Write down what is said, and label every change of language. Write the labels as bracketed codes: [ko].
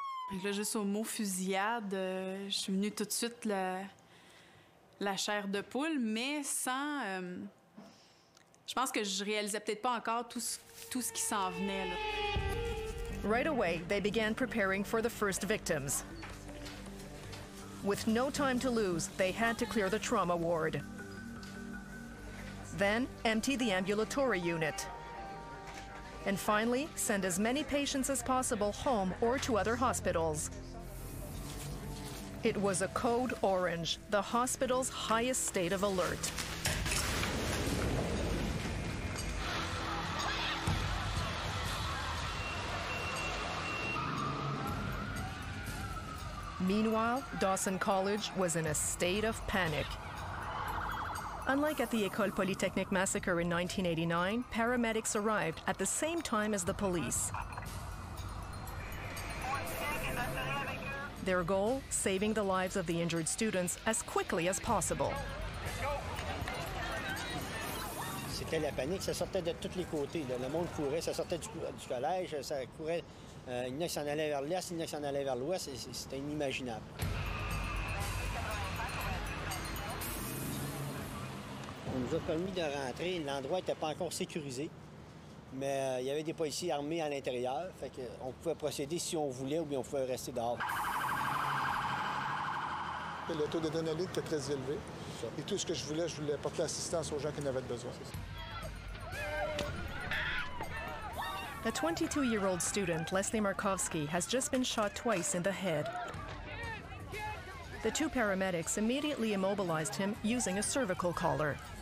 [fr] Donc là, juste au mot fusillade, je suis venue tout de suite la chair de poule, mais sans... Je pense que je réalisais peut-être pas encore tout ce qui s'en venait, là. [en] Right away, they began preparing for the first victims. With no time to lose, they had to clear the trauma ward. Then, empty the ambulatory unit. And finally, send as many patients as possible home or to other hospitals. It was a code orange, the hospital's highest state of alert. Meanwhile, Dawson College was in a state of panic. Unlike at the École Polytechnique massacre in 1989, paramedics arrived at the same time as the police. Their goal, saving the lives of the injured students as quickly as possible. [fr] C'était la panique, ça sortait de tous les côtés. Le monde courait, ça sortait du collège, ça courait. Il y en a qui s'en allaient vers l'est, il y en a qui s'en allaient vers l'ouest. C'était inimaginable. On nous a permis de rentrer. L'endroit n'était pas encore sécurisé, mais il y avait des policiers armés à l'intérieur. Fait qu'on pouvait procéder si on voulait ou bien on pouvait rester dehors. Le taux d'adrénaline était très élevé. Et tout ce que je voulais porter assistance aux gens qui en avaient besoin. [en] A 22-year-old student, Leslie Markovsky, has just been shot twice in the head. The two paramedics immediately immobilized him using a cervical collar.